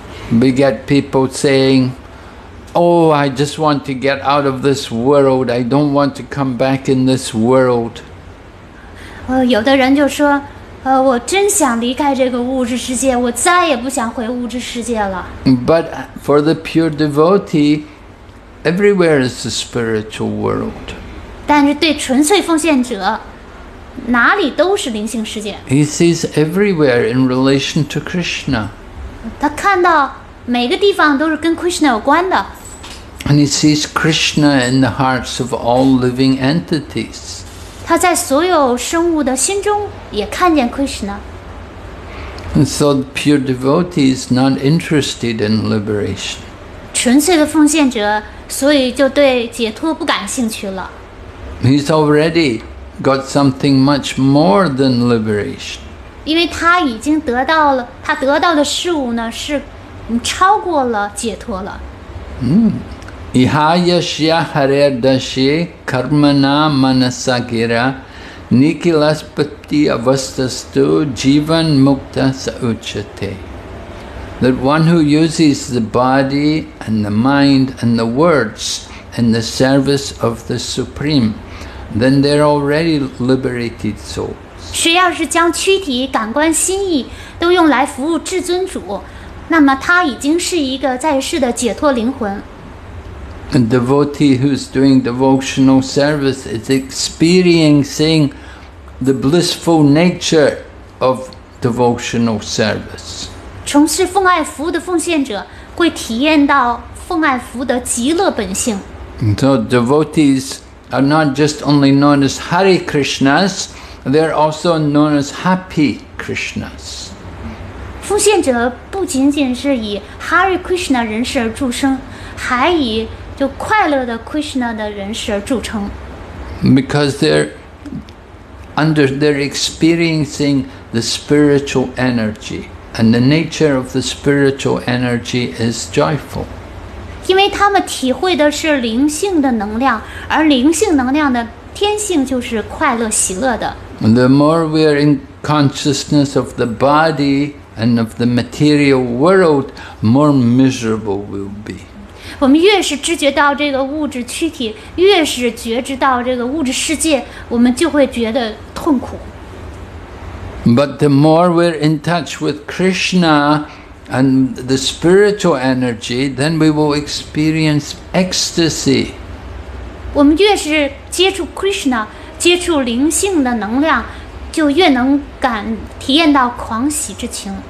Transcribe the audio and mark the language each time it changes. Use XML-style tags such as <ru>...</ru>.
<en>We get people saying, oh, I just want to get out of this world. I don't want to come back in this world.</en> <zh>有的人就说，我真想离开这个物质世界，我再也不想回物质世界了。But</zh> <en>for the pure devotee, everywhere is the spiritual world.</en> <zh>但是对纯粹奉献者,哪里都是灵性世界。</zh> <en>He sees everywhere in relation to Krishna.</en> <zh>他看到每个地方都是跟 Krishna 有关的。</zh> <en>And he sees Krishna in the hearts of all living entities.</en> <zh>他在所有生物的心中也看见 Krishna。</zh> <en>And so the pure devotee is not interested in liberation.</en> <zh>纯粹的奉献者所以就对解脱不感兴趣了。</zh> <en>He's already got something much more than liberation.</en> <zh>因为他已经得到了他得到的事物呢是超过了解脱了。</zh> <sa>Ihayashya haryadashi karmana manasagira nikilaspati avastastu jivan mukta sauchate.</sa> <en>That one who uses the body and the mind and the words in the service of the Supreme, then they're already liberated souls.</en> <zh>谁要是将躯体、感官、心意都用来服务至尊主，那么他已经是一个在世的解脱灵魂。</zh> <en>A devotee who's doing devotional service is experiencing the blissful nature of devotional service.</en> <zh>从事奉爱服务的奉献者会体验到奉爱服务的极乐本性。</zh> <en>So devotees are not just only known as Hare Krishnas, they're also known as Happy Krishnas.</en> <zh>奉献者不仅仅是以 Hare Krishna 人士而著称，还以就快乐的 Krishna 的人士而著称。</zh> <en>Because they're experiencing the spiritual energy. And the nature of the spiritual energy is joyful.</en> <zh>因为他们体会的是灵性的能量，而灵性能量的天性就是快乐喜乐的。</zh> <en>The more we are in consciousness of the body and of the material world, more miserable we'll be.</en> <zh>我们越是知觉到这个物质躯体，越是觉知到这个物质世界，我们就会觉得痛苦。</zh> <en>But the more we're in touch with Krishna and the spiritual energy, then we will experience ecstasy.</en> <zh>我们越是接触 Krishna, 接触灵性的能量，就越能感体验到狂喜之情。</zh>